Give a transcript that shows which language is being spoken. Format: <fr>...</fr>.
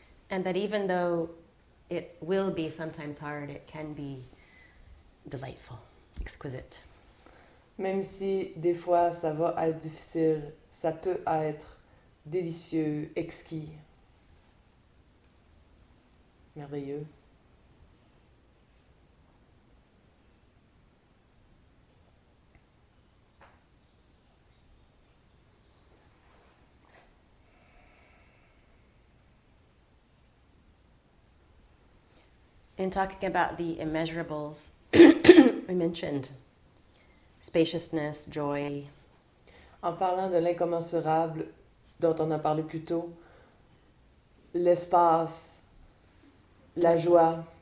<en>And that even though it will be sometimes hard, it can be delightful, exquisite.</en> <fr>Même si des fois ça va être difficile, ça peut être délicieux, exquis, merveilleux.</fr> <en>In talking about the immeasurables, we mentioned spaciousness, joy.</en> <fr>En parlant de l'incommensurable, dont on a parlé plus tôt, l'espace, la joie,</fr>